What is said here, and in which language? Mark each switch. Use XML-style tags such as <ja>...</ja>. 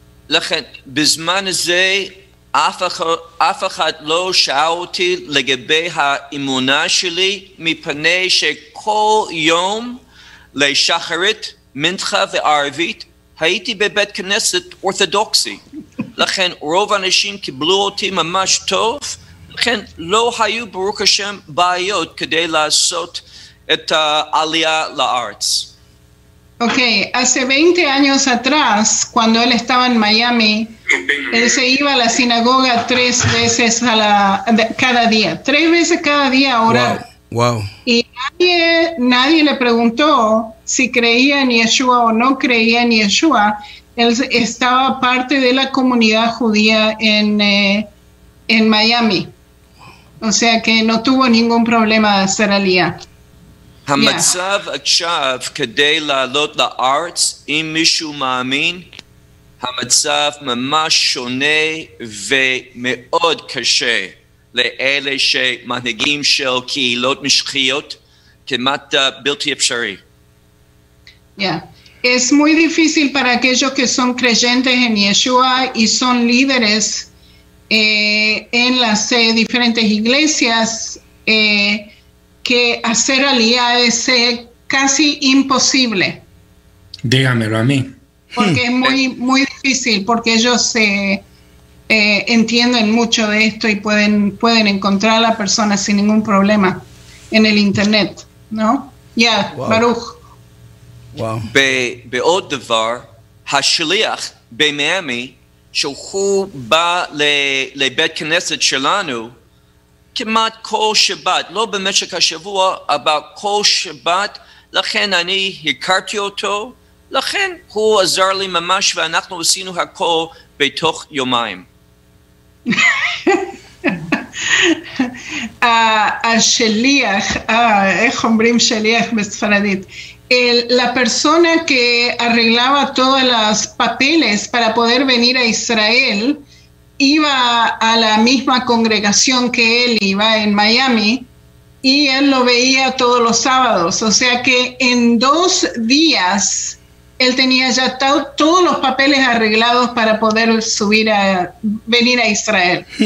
<he>לכן, בזמן הזה אף אחד לא שאל אותי לגבי האמונה שלי מפני שכל יום לשחרית, מנחה וערבית הייתי בבית כנסת אורתודוקסי. לכן רוב האנשים קיבלו אותי ממש טוב, לכן לא היו ברוך השם בעיות כדי לעשות את העלייה לארץ.</he> <es>Okay, hace 20 años atrás, cuando él estaba en Miami, él se iba a la sinagoga tres veces a la, cada día, tres veces cada día ahora. Wow. Y nadie le preguntó si creía en Yeshua o no creía en Yeshua. Él estaba parte de la comunidad judía en Miami. O sea que no tuvo ningún problema de hacer aliyah.</es> <he>המצב עכשיו כדי לעלות לארץ אם מישהו מאמין, המצב ממש שונה ומאוד קשה לאלה שמנהיגים של קהילות משיחיות, כמעט בלתי אפשרי. Yeah.</he> <es>Es muy difícil para aquellos que son creyentes en Yeshua y son líderes en las diferentes iglesias que hacer aliyah es casi imposible. Dígamelo a mí. Porque es muy, muy difícil, porque ellos entienden mucho de esto y pueden encontrar a la persona sin ningún problema en el internet, ¿no? Ya, yeah, wow. Baruch. Wow.</es> <he>Be'od devar, ha-shaliach be-Miami, shohu ba le-bet Knesset shelanu, כמעט כל שבת, לא במשך השבוע, אבל כל שבת, לכן אני הכרתי אותו, לכן הוא עזר לי ממש, ואנחנו עשינו הכל בתוך יומיים. השליח, איך אומרים שליח בספרדית?</he> <es>La persona que arreglaba todas las papeles para poder venir a Israel, iba a la misma congregación que él iba en Miami y él lo veía todos los sábados. O sea que en dos días él tenía ya todos los papeles arreglados para poder subir a venir a Israel.</es>